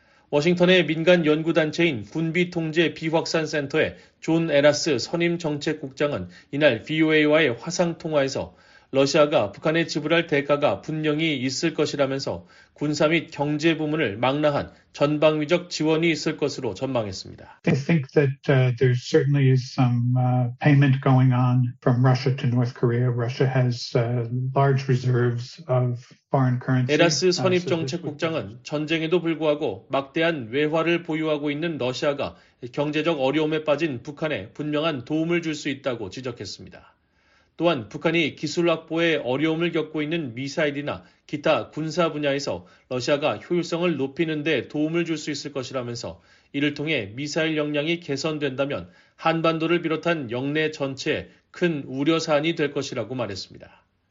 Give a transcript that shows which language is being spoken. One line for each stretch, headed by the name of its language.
Korean: 워싱턴의 민간 연구단체인 군비통제 비확산센터의 존 에라스 선임정책국장은 이날 VOA와의 화상통화에서 러시아가 북한에 지불할 대가가 분명히 있을 것이라면서 군사 및 경제 부문을 막나한 전방위적 지원이 있을 것으로 전망했습니다.
English: I think that there certainly is some payment going on from Russia to North Korea. Russia has large reserves of foreign currency.
Korean: 에라스 선임정책국장은 전쟁에도 불구하고 막대한 외화를 보유하고 있는 러시아가 경제적 어려움에 빠진 북한에 분명한 도움을 줄 수 있다고 지적했습니다. 또한 북한이 기술 확보에 어려움을 겪고 있는 미사일이나 기타 군사 분야에서 러시아가 효율성을 높이는 데 도움을 줄 수 있을 것이라면서 이를 통해 미사일 역량이 개선된다면 한반도를 비롯한 영내 전체에 큰 우려 사안이 될 것이라고 말했습니다.